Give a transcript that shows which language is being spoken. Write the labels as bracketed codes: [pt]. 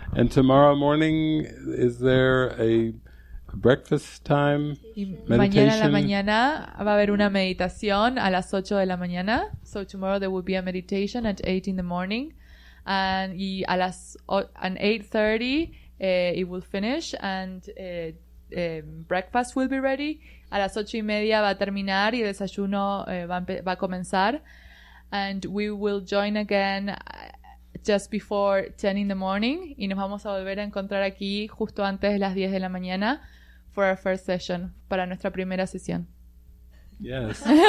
[en] And tomorrow morning, is there a breakfast time meditation? [es] Mañana en la mañana va a haber una meditación a las 8 de la mañana. [en] So tomorrow there will be a meditation at 8 in the morning. And [es] y a las 8:30 [en] it will finish and breakfast will be ready. [es] A las 8:30 va a terminar y el desayuno va a comenzar. [en] And we will join again just before 10 in the morning. [es] Y nos vamos a volver a encontrar aquí justo antes de las 10 de la mañana [en] for our first session, [es] para nuestra primera sesión. [en] Yes.